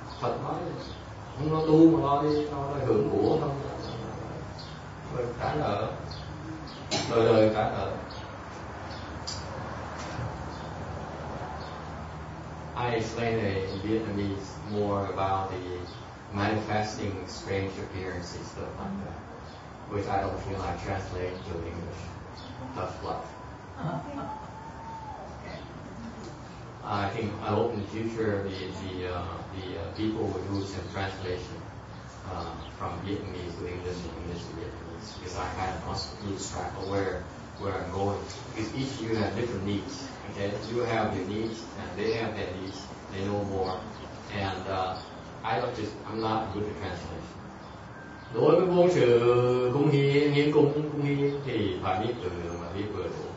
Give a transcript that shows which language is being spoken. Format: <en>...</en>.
<vi>Phật nói không lo tu mà lo đi, lo hưởng của không, rồi trả nợ, đời đời trả nợ.</vi> <en>I explain a Vietnamese more about the manifesting strange appearances stuff like that, which I don't feel like translate to English. Tough luck. I think I hope in the future the people will do some translation from Vietnamese to English and English to Vietnamese, because I have lost lose track of where I'm going. Because each of you have different needs. Okay, you have your needs and they have their needs. They know more, and I'm not good at translation.</en> <vi>Đối với môn sự cung hiến hiến cung cung hiến thì phải biết từ mà biết vừa đủ.</vi>